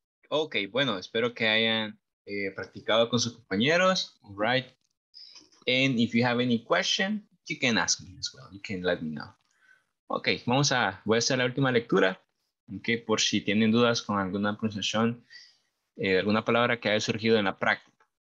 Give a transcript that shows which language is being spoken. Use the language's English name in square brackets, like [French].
[Spanish] Ok, bueno, espero que hayan practicado con sus compañeros, [English] all right? And if you have any question, you can ask me as well. You can let me know. [Spanish] Ok, voy a hacer la última lectura. Ok, por si tienen dudas con alguna pronunciación, alguna palabra que haya surgido en la práctica.